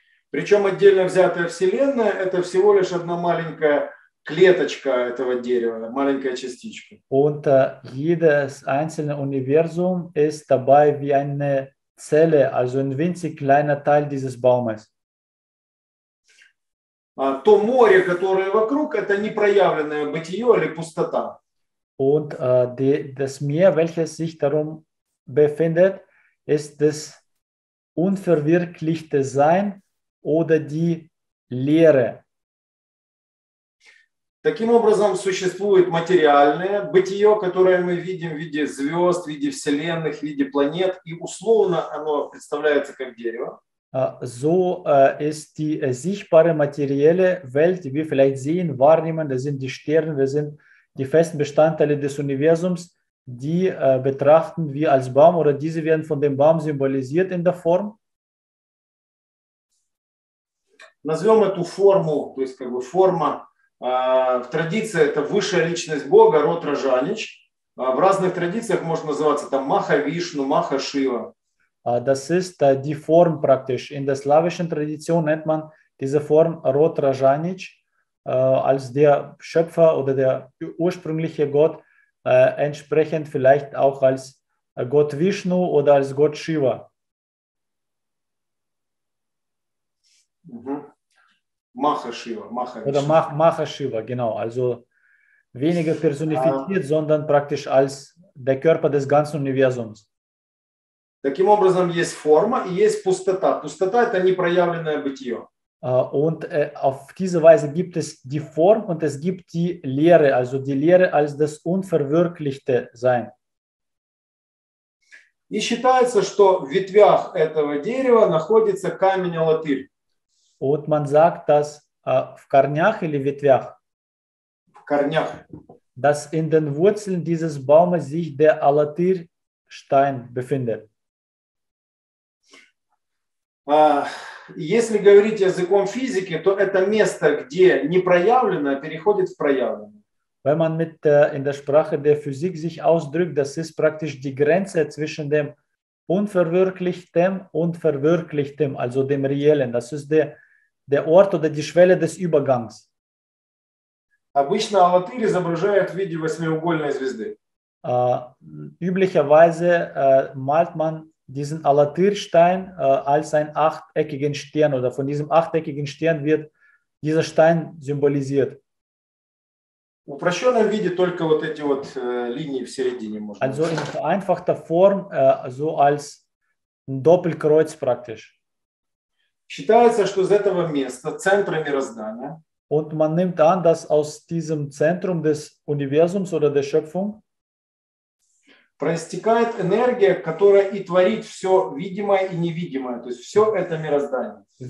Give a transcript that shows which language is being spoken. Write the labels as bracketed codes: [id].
[ru] Причем отдельно взятая Вселенная – это всего лишь одна маленькая клеточка этого дерева, маленькая частичка. [de] Und jedes einzelne Universum ist dabei wie eine Zelle, also ein winzig kleiner Teil dieses Baumes. [ru] То море, которое вокруг, это непроявленное бытие или пустота. [de] Und das Meer, welches sich darum befindet, ist das unverwirklichte Sein oder die Leere. [ru] Таким образом, существует материальное бытие, которое мы видим в виде звезд, в виде вселенных, в виде планет, и условно оно представляется как дерево. [de] So ist die sichtbare materielle Welt, die wir vielleicht sehen, wahrnehmen, das sind die Sterne, das sind die festen Bestandteile des Universums, die betrachten wir als Baum oder diese werden von dem Baum symbolisiert in der Form. [ru] Назовем эту форму, то есть как бы форма, в традиции это высшая личность Бога, род Раджанич. В разных традициях можно называться там Маха-Вишну, Маха-Шива. [de] Das ist die Form praktisch. In der slawischen Tradition nennt man diese Form Rot Rajanic, als der Schöpfer oder der ursprüngliche Gott, entsprechend vielleicht auch als Gott Vishnu oder als Gott Shiva. Maha Shiva, genau. Also weniger personifiziert, sondern praktisch als der Körper des ganzen Universums. [ru] Таким образом, есть форма и есть пустота. Пустота – это непроявленное бытие. [de] Und auf diese Weise gibt es die Form und es gibt die Leere, also die Leere als das unverwirklichte Sein. [ru] И считается, что в ветвях этого дерева находится камень Алатырь. [de] Und man sagt, dass [ru] в корнях или ветвях? В корнях. [de] Dass in den Wurzeln dieses Baumes sich der Alatyr-Stein befindet. [ru] Если говорить языком физики, то это место, где непроявленное переходит в проявленное. [de] Wenn man mit in der Sprache der Physik sich ausdrückt, das ist praktisch die Grenze zwischen dem Unverwirklichten und Verwirklichtem, also dem Reellen. Das ist der Ort oder die Schwelle des Übergangs. [ru] Обычно Алатырь изображают в виде восьмиугольной звезды. [de] Üblicherweise malt man diesen Alatyr-Stein als einen achteckigen Stern oder von diesem achteckigen Stern wird dieser Stein symbolisiert. [ru] Упрощенном виде только вот эти вот линии в середине можно. [de] Also in vereinfachter Form so als ein Doppelkreuz praktisch. [ru] Считается, что из этого места центра мироздания. [de] Und man nimmt an, dass aus diesem Zentrum des Universums oder der Schöpfung [ru] проистекает энергия, которая и творит все видимое и невидимое, то есть все это мироздание.